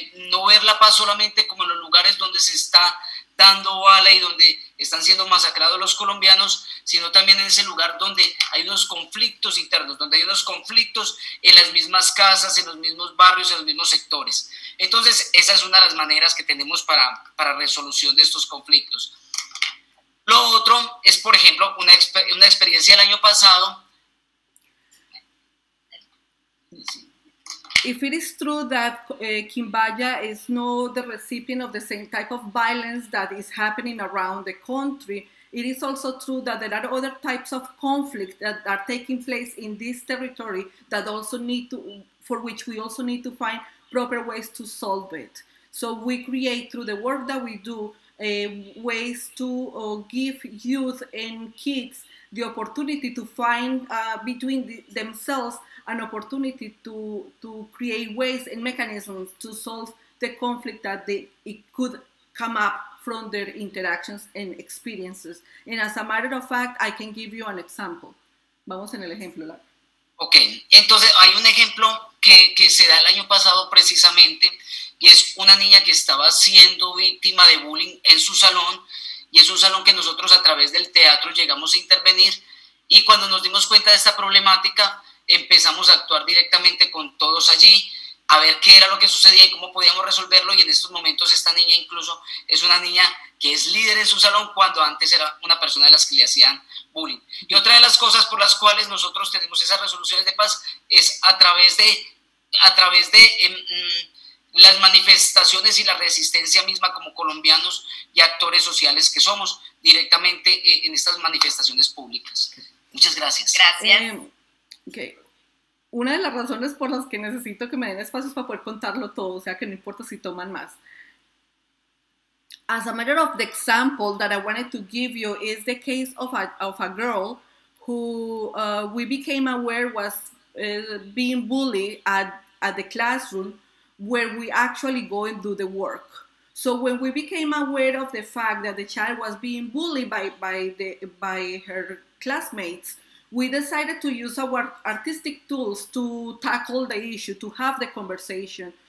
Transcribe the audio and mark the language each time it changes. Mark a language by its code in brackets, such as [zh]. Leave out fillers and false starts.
[es] no ver la paz solamente como en los lugares donde se está dando bala y donde están siendo masacrados los colombianos, sino también en ese lugar donde hay unos conflictos internos, donde hay unos conflictos en las mismas casas, en los mismos barrios, en los mismos sectores. Entonces, esa es una de las maneras que tenemos para resolución de estos conflictos. Lo otro es, por ejemplo, una experiencia del año pasado. [en] If it is true that Quimbaya is not the recipient of the same type of violence that is happening around the country, it is also true that there are other types of conflict that are taking place in this territory that also need to, for which we also need to find proper ways to solve it. So we create, through the work that we do, ways to give youth and kids the opportunity to find between themselves an opportunity to create ways and mechanisms to solve the conflict that it could come up from their interactions and experiences. And as a matter of fact, I can give you an example. [es] Vamos en el ejemplo. Ok, entonces hay un ejemplo que se da el año pasado precisamente, y es una niña que estaba siendo víctima de bullying en su salón, y es un salón que nosotros a través del teatro llegamos a intervenir, y cuando nos dimos cuenta de esta problemática, empezamos a actuar directamente con todos allí, a ver qué era lo que sucedía y cómo podíamos resolverlo, y en estos momentos esta niña incluso es una niña que es líder en su salón cuando antes era una persona de las que le hacían bullying. Y otra de las cosas por las cuales nosotros tenemos esas resoluciones de paz es a través de las manifestaciones y la resistencia misma como colombianos y actores sociales que somos directamente en estas manifestaciones públicas. Muchas gracias. Gracias. Una de las razones por las que necesito que me den espacios para poder contarlo todo, o sea, que no importa si toman más. [en] As a matter of the example that I wanted to give you is the case of a girl who we became aware was being bullied at the classroom where we actually go and do the work. So when we became aware of the fact that the child was being bullied by her classmates, we decided to use our artistic tools to tackle the issue, to have the conversation.